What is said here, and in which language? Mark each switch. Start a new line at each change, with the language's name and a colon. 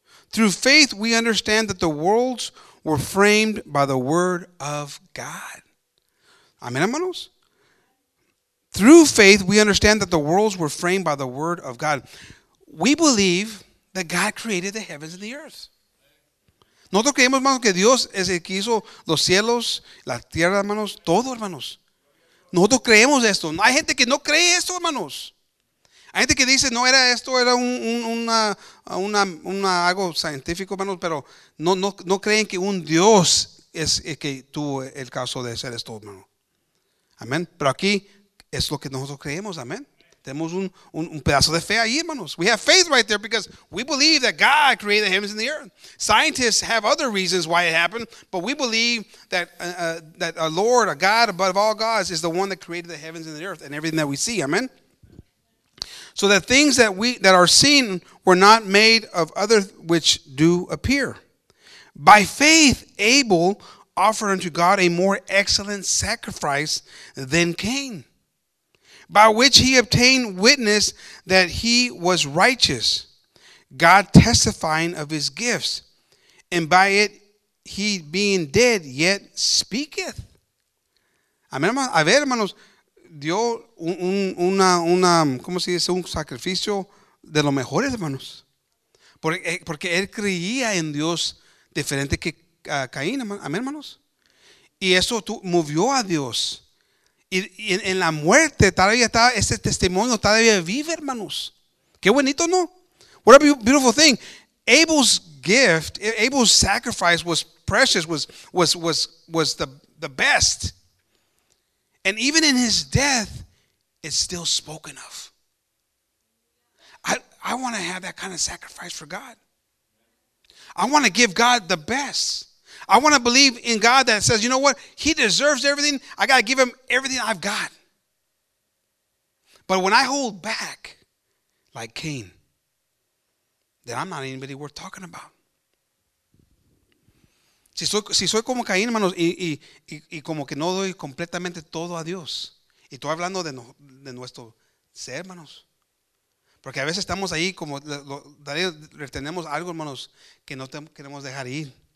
English: Through faith, we understand that the worlds were framed by the word of God. Amen, hermanos. Through faith, we understand that the worlds were framed by the word of God. We believe that God created the heavens and the earth.
Spanish: Nosotros creemos, hermanos, que Dios es el que hizo los cielos, la tierra, hermanos, todo, hermanos. Nosotros creemos esto. Hay gente que no cree esto, hermanos. Hay gente que dice, no era esto, era una algo científico, hermanos, pero no creen que un Dios es el que tuvo el caso de hacer esto, hermano. Amén. Pero aquí es lo que nosotros creemos, amén. Tenemos un pedazo de fe ahí, hermanos.
English: We have faith right there because we believe that God created the heavens and the earth. Scientists have other reasons why it happened, but we believe that that a Lord, a God above all gods, is the one that created the heavens and the earth and everything that we see. Amen. So that things that are seen were not made of other which do appear. By faith, Abel offered unto God a more excellent sacrifice than Cain, by which he obtained witness that he was righteous, God testifying of his gifts, and by it he being dead yet speaketh. Amen.
Spanish: A ver, hermanos, dio una ¿cómo se dice? Un sacrificio de los mejores, hermanos. Porque él creía en Dios diferente que Caín. Amen, hermanos. Y eso movió a Dios. Y en la muerte todavía está ese testimonio, todavía vive, hermanos. Qué bonito, ¿no?
English: What a beautiful thing. Abel's gift, Abel's sacrifice was precious, was the best. And even in his death, it's still spoken of. I want to have that kind of sacrifice for God. I want to give God the best. I want to believe in God that says, you know what? He deserves everything. I got to give him everything I've got. But when I hold back like Cain, then I'm not anybody worth talking about.
Spanish: Si soy como Caín, hermanos, y como que no doy completamente todo a Dios. Y estoy hablando de nuestro ser, hermanos. Porque a veces estamos ahí como retenemos algo, hermanos, que no queremos dejar ir.